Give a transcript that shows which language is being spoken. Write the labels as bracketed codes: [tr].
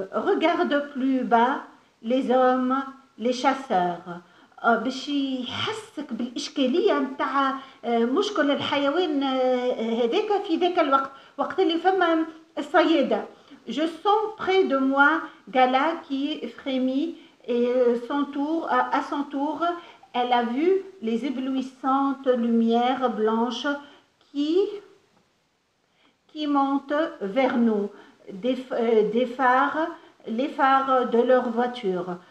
[fr] Regarde plus bas les hommes, les chasseurs. [ar] باش يحسك بالإشكالية متاع مشكل الحيوان هذاك في ذاك الوقت، وقت اللي فما الصيادة. [fr] Je sens près de moi Gala qui frémit et s'entoure, à son tour, elle a vu les éblouissantes lumières blanches qui montent vers nous, des phares, les phares de leur voiture.